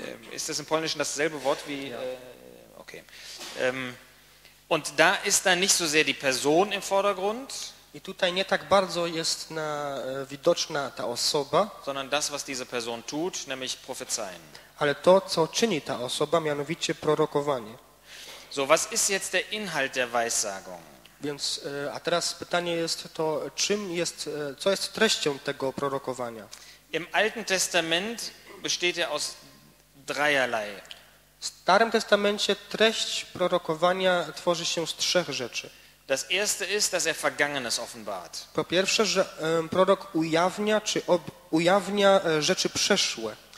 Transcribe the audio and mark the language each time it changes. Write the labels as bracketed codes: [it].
[de] Ist das im Polnischen dasselbe Wort wie... Ja. Okay. Und da ist dann nicht so sehr die Person im Vordergrund, [pl] i tutaj nie tak bardzo jest na, widoczna ta osoba, [de] sondern das, was diese Person tut, nämlich prophezeien. [pl] Ale to, co czyni ta osoba, mianowicie prorokowanie. [de] So, was ist jetzt der Inhalt der Weissagung? [pl] Więc, a teraz pytanie jest to, czym jest, co jest treścią tego prorokowania? [de] Im Alten Testament besteht er aus dreierlei. [pl] W Starym Testamencie treść prorokowania tworzy się z trzech rzeczy. [de] Das erste ist, dass er Vergangenes offenbart. [pl] Po pierwsze, że prorok ujawnia czy ujawnia rzeczy przeszłe.